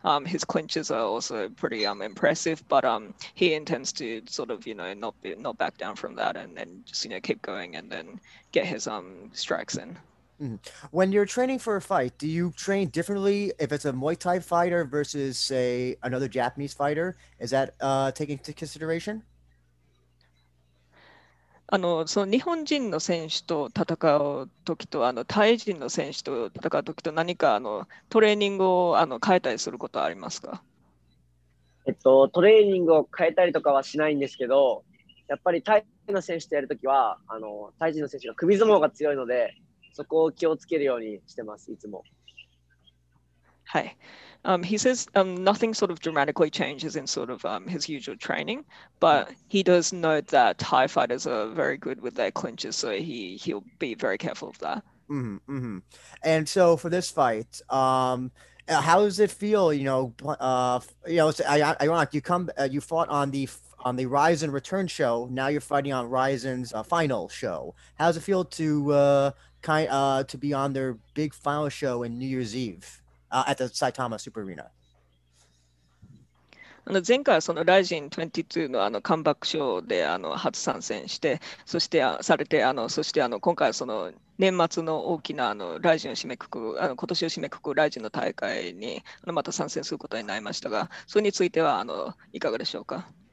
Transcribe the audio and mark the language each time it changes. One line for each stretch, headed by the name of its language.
English: His clinches are also pretty impressive, but he intends to sort of, not back down from that and then just, keep going and then get his strikes in. When you're training for a fight, do you train differently if it's a Muay Thai fighter versus, say, another Japanese fighter? Is that taken into consideration?
Japanese: その日本人の選手と戦うときと、タイ人の選手と戦うときと何かトレーニングを変えたりすることはありますか？トレーニングを変えたりとかはしないんですけど、やっぱりタイの選手とやるときは、タイ人の選手が首相撲が強いので、そこを気をつけるようにしてます、いつも。はい。
English: He says nothing sort of dramatically changes in sort of his usual training, but he does note that Thai fighters are very good with their clinches, so he'll be very careful of that. Mm-hmm, mm-hmm. And so for this fight, how does it feel, on the Ryzen Return show, now you're fighting on Ryzen's final show. How does it feel to be on their big final show in New Year's Eve at the Saitama Super Arena?
Japanese: 前回そのRyzen 22 の カムバックショーで初参戦して、そしてされて、そして今回その年末の大きなRyzen を締めくく、今年を締めくくRyzen の大会にまた参戦することになりましたが、それについてはいかがでしょうか。